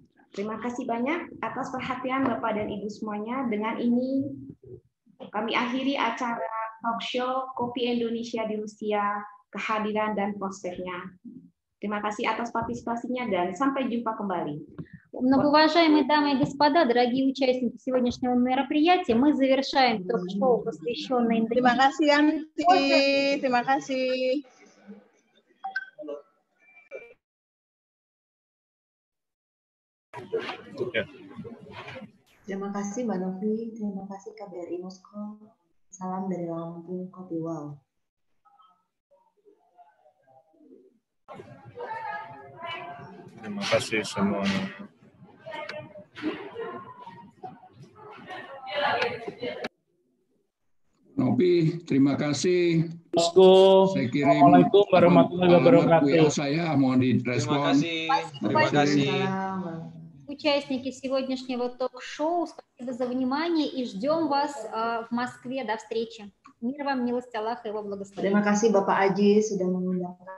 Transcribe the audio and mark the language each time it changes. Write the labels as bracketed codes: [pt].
[id] Terima kasih banyak atas perhatian Bapak dan Ibu semuanya. Dengan ini kami akhiri acara talk show Kopi Indonesia di Rusia, kehadiran dan prospeknya. Terima kasih atas partisipasinya dan sampai jumpa kembali. [ru] Многоуважаемые дамы и господа, дорогие участники сегодняшнего мероприятия, мы завершаем ток-шоу, посвященное Индонезии. [id] Terima kasih, Анти. Terima kasih. Terima kasih, Mbak Novi. Terima kasih, KBRI Moskow. Salam dari Lampung, Kopi Wow. Terima kasih semuanya. Nopi, terima kasih. [ar] Assalamualaikum warahmatullahi wabarakatuh. [id] Saya mohon direspon. Terima kasih. [ru] Участники сегодняшнего ток-шоу, спасибо за внимание и ждем вас в Москве. До встречи. Мир вам, милость Аллаха и его благословение. [id] Terima kasih Bapak Aji sudah mengundang.